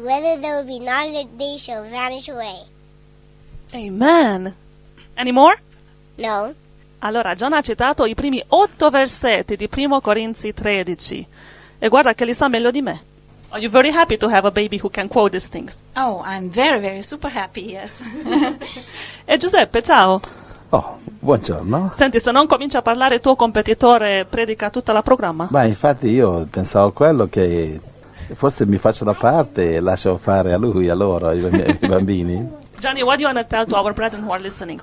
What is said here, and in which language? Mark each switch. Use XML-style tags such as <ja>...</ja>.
<en>Whether there be knowledge, they shall vanish away. Amen. Any more? No.</en> <it>Allora, John ha citato i primi 8 versetti di 1 Corinzi 13. E guarda che li sa meglio di me.</it> <en>Are you very happy to have a baby who can quote these things? Oh, I'm very, very super happy, yes.</en> <it>E Giuseppe, ciao. Oh, buongiorno. Senti, se non comincia a parlare, il tuo competitore predica tutta la programma. Ma infatti io pensavo quello, che forse mi faccio da parte e lascio fare a lui, a loro, ai bambini.</it> <en>Gianni, what do you want to tell to our brethren who are listening?</en>